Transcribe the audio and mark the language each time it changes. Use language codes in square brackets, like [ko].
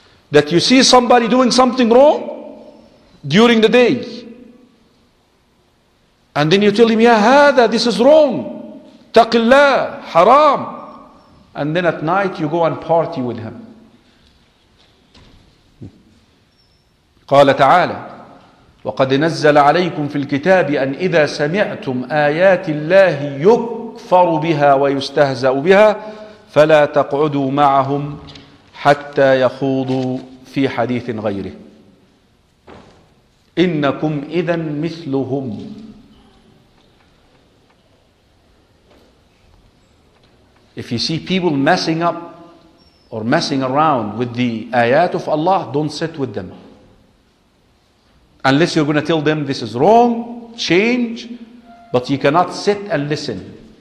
[en] That you see somebody doing something wrong during the day, and then you tell him, ya hada, this is wrong, taqillah, haram. And then at night you go and party with him. [ar] قال تعالى وقد نزل عليكم في الكتاب أن إذا سمعتم آيات الله يكفر بها ويستهزأ بها فلا تقعدوا معهم حتى يخوضوا في حديث غيره إنكم إذا مثلهم. [en] If you see people messing up or messing around with the ayat of Allah, don't sit with them. Unless you're going to tell them this is wrong, change, but you cannot sit and listen.